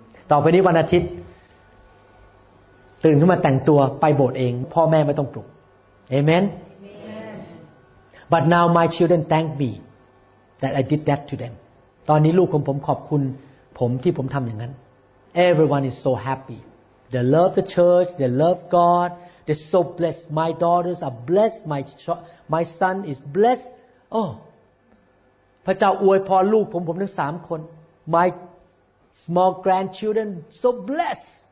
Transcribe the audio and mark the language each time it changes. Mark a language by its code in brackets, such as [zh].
[th] ต่อไปนี้วันอาทิตย์ตื่นขึ้นมาแต่งตัวไปโบสถ์เองพ่อแม่ไม่ต้องปลุก Amen. [en] Amen. But now my children thank me that I did that to them. [th] ตอนนี้ลูกของผมขอบคุณผมที่ผมทำอย่างนั้น [en] Everyone is so happy. They love the church. They love God. They're so blessed. My daughters are blessed. My son is blessed. [th] Oh, พระเจ้าอวยพรลูกผมทั้งสามคน [en] My small grandchildren so blessed.